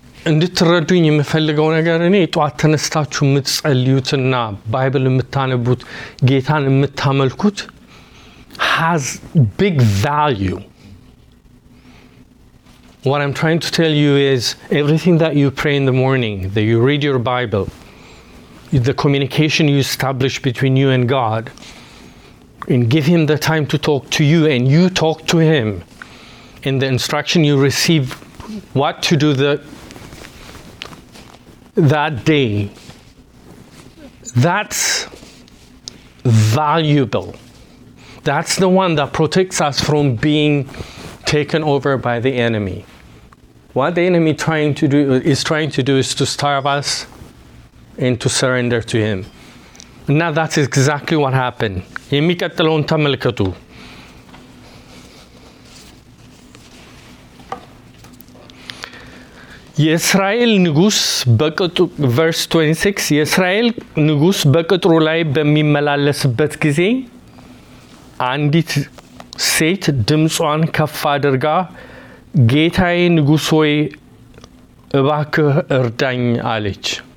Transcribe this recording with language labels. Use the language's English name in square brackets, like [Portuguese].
[Amharic] እንድትረዱኝ የምፈልገው ነገር እኔ ጧት ተነስተታችሁ የምትጸልዩትና ባይብል የምታነቡት ጌታን የምታመልኩት [English] has big value. What I'm trying to tell you is everything that you pray in the morning, that you read your Bible, the communication you establish between you and God, and give him the time to talk to you and you talk to him, and the instruction you receive what to do that day, that's valuable. That's the one that protects us from being taken over by the enemy. What the enemy is trying to do is to starve us and to surrender to him. Now that's exactly what happened. [Amharic] የሚከተለውን ተመልከቱ። የእስራኤል ንጉስ በቅጥሩ verse 26 የእስራኤል ንጉስ በቅጥሩ ላይ በሚመላለስበት ጊዜ አንዲት ሴት ድምጿን ከፍ አድርጋ ጌታዬ ንጉስ ሆይ እባክህ እርዳኝ አለች።